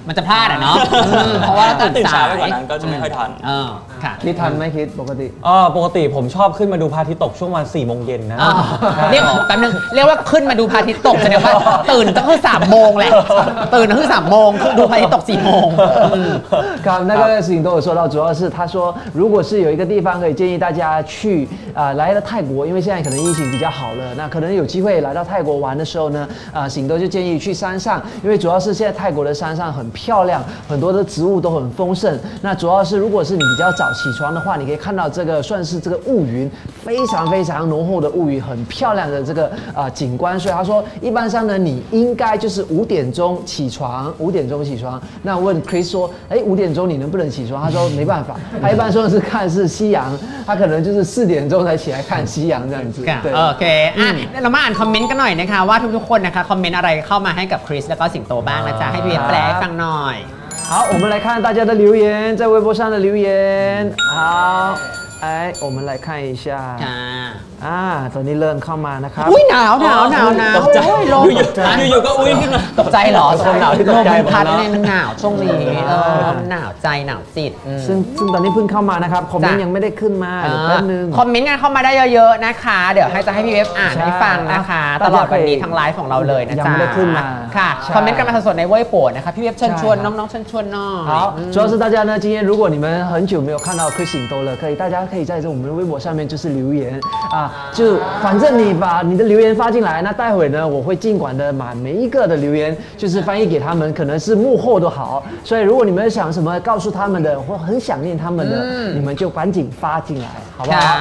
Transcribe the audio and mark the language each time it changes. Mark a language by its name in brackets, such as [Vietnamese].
[Thai] มันจะพลาดอ่ะเนาะเพราะว่า ตื่นเช้าไปกว่านั้นก็จะไม่ค่อยทัน คิดทันไหมคิดปกติ ปกติผมชอบขึ้นมาดูพระอาทิตย์ตกช่วงวันสี่โมงเย็นนะ เรียกแป๊บนึงเรียกว่าขึ้นมาดูพระอาทิตย์ตกแสดงว่าตื่นต้องขึ้นสามโมงแหละตื่นต้องขึ้นสามโมงดูพระอาทิตย์ตกสี่โมง [Chinese] ครับ那个事情都有说到主要是他说如果是有一个地方可以建议大家去来了泰国因为现在可能疫情比较好了那可能有机会来到泰国玩的时候呢醒豆就建议去山上因为主要是现在泰国的山上很漂亮很多的植物都很丰盛那主要是如果是你比较早起床的话你可以看到这个算是这个雾云非常非常浓厚的雾云很漂亮的这个景观所以他说一般上呢你应该就是五点钟起床那问 Chris 说五点钟你能不能起床他说没办法他一般说是看是夕阳他可能就是四点钟才起来看夕阳这样子对 OK 那我们按 [Thai] comment กันหน่อยนะคะว่าทุกคนนะคะคอมเมนต์อะไรเข้ามาให้กับคริสแล้วก็สิงโตบ้างนะจ๊ะให้เรียนแปลฟังหน่อย [Chinese] 好我们来看大家的留言在微博上的留言好来我们来看一下 [Thai] ตอนนี้เริ่มเข้ามานะครับ อุ้ยหนาวหนาวหนาวหนาว ตกใจร้อนอยู่ๆก็อุ้ยขึ้นมา ตกใจหรอ หนาวที่ตกใจ ลมพัดแรงหนาวช่วงนี้หนาวใจหนาวจิต ซึ่งตอนนี้เพิ่งเข้ามานะครับคอมเมนต์ยังไม่ได้ขึ้นมาแป๊บนึง คอมเมนต์กันเข้ามาได้เยอะๆนะคะเดี๋ยวจะให้พี่เวฟอ่านให้ฟังนะคะตลอดวันนี้ทางไลฟ์ของเราเลยนะจ๊ะ ยังไม่ได้ขึ้นมา ค่ะคอมเมนต์กันมาสดๆในเว็บโปรดนะคะพี่เวฟเชิญชวนน้องๆเชิญชวนน้อง [Chinese] 好主要是大家呢今天如果你们很久没有看到 Christine 都了可以大家可以在这我们的微博上面就是留言啊就反正你把你的留言发进来那待会呢我会尽管的把每一个的留言就是翻译给他们可能是幕后都好所以如果你们想什么告诉他们的或很想念他们的你们就赶紧发进来好不好